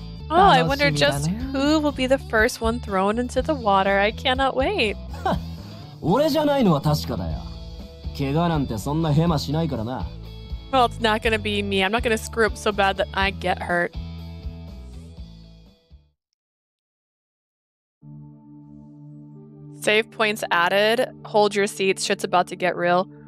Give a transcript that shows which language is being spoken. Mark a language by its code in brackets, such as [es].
[en] Oh, I wonder just who will be the first one thrown into the water. I cannot wait. [ja] 俺じゃないのは確かだよ。怪我なんてそんなヘマしないからな。 [en] Well, it's not gonna be me. I'm not gonna screw up so bad that I get hurt. Save points added. Hold your seats. Shit's about to get real.